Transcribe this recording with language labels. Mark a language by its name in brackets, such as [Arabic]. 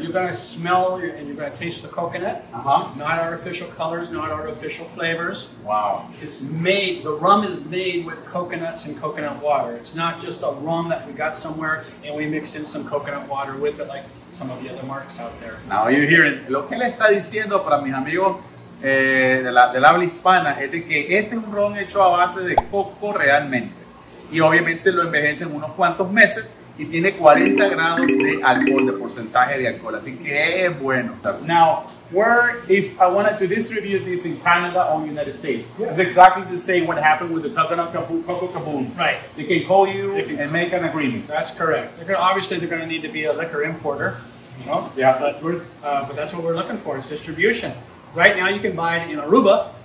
[English] You're going to smell and you're going to taste the coconut. Uh-huh. Not artificial colors, not artificial flavors. Wow. It's made, the rum is made with coconuts and coconut water. It's not just a rum that we got somewhere and we mix in some coconut water with it like some of the other marks out there. Now you're hearing, [Spanish] lo que le está diciendo para mis amigos de la habla hispana es de que este es un ron hecho a base de coco realmente. Y obviamente lo envejece en unos cuantos meses. Y tiene 40 grados de alcohol, de porcentaje de alcohol, así que es bueno. [English] Now, where, if I wanted to distribute this in Canada or United States, yeah. It's exactly the same what happened with the COCOKABOOM. Right. They can call you and make an agreement. That's correct. They're gonna need to be a liquor importer, you know? Yeah. But that's what we're looking for, is distribution. Right now you can buy it in Aruba.